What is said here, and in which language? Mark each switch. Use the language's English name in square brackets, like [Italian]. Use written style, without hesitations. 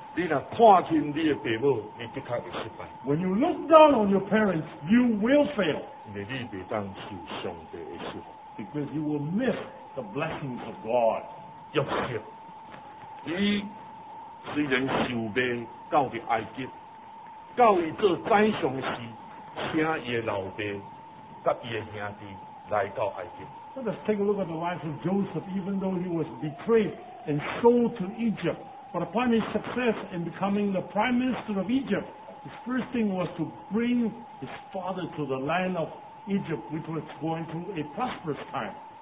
[Min Nan Chinese] 你若看轻你的父母，你的确会失败。 [English] When you look down on your parents, you will fail. [Min Nan Chinese] 因为你袂当受上帝的祝福。 [English] Because you will miss the blessings of God. [Min Nan Chinese] 约瑟，伊虽然受卖到伫埃及，到伊做宰相时，请伊的老爸甲伊的兄弟来到埃及。 [English] Let us take a look at the life of Joseph, even though he was betrayed and sold to Egypt. But upon his success in becoming the prime minister of Egypt, his first thing was to bring his father to the land of Egypt, which was going through a prosperous time.